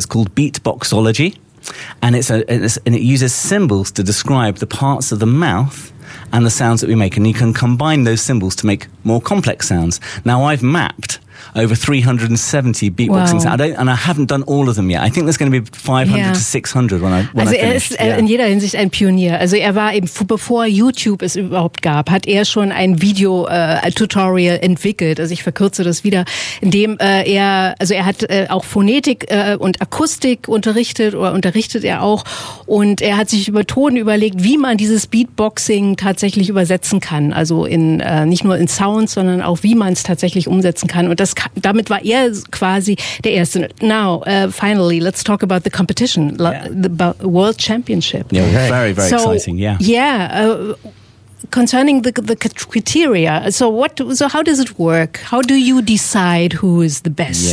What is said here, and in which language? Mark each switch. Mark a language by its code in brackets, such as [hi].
[en] It's called beatboxology. And it uses symbols to describe the parts of the mouth and the sounds that we make. And you can combine those symbols to make more complex sounds. Now, I've mapped over 370 beatboxing sounds. And I haven't done all of them yet. I think there's going to be 500 to 600 when I finish. [de] Also er ist in jeder Hinsicht ein Pionier. Also er war eben, bevor YouTube es überhaupt gab, hat er schon ein Video-Tutorial entwickelt. Also ich verkürze das wieder. Er hat auch Phonetik und Akustik unterrichtet, oder unterrichtet er auch. Und er hat sich Methoden überlegt, wie man dieses Beatboxing tatsächlich übersetzen kann. Also nicht nur in Sounds, sondern auch wie man es tatsächlich umsetzen kann. Und damit war er quasi der Erste. [en] Now, finally, let's talk about the competition, the World Championship. Yeah, very, very so, exciting, yeah. Yeah, concerning the criteria, so how does it work? How do you decide who is the best?